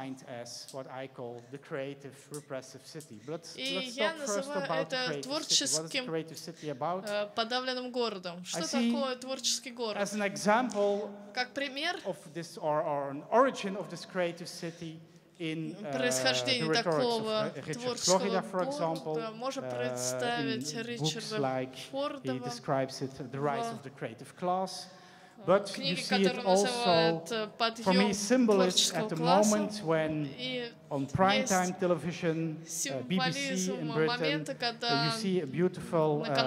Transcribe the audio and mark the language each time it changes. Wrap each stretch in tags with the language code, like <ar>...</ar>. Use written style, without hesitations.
<en>and is defined as what I call the creative repressive city. But</en> <ru>и я называю это творческим подавленным городом. Что такое творческий город?</ru> <en>As an example,</en> <ru>как пример,</ru> <en>of this or an origin of this creative city in</en> <ru>происхождение такого творческого города, можно представить Ричарда Фордова,</ru> <en>he describes it, the rise of the creative class. But книги, you see it also, for me, symbolic at the moment when on primetime television, BBC in Britain, you see a beautiful</en>